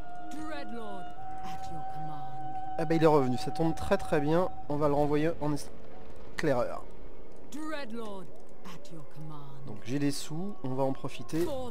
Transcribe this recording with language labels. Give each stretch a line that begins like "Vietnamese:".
English: Dreadlord, at your command.
French: Ah ben, il est revenu, ça tombe très très bien. On va le renvoyer en éclaireur.
English: Dreadlord, at your command.
French: Donc, j'ai des sous, on va en profiter.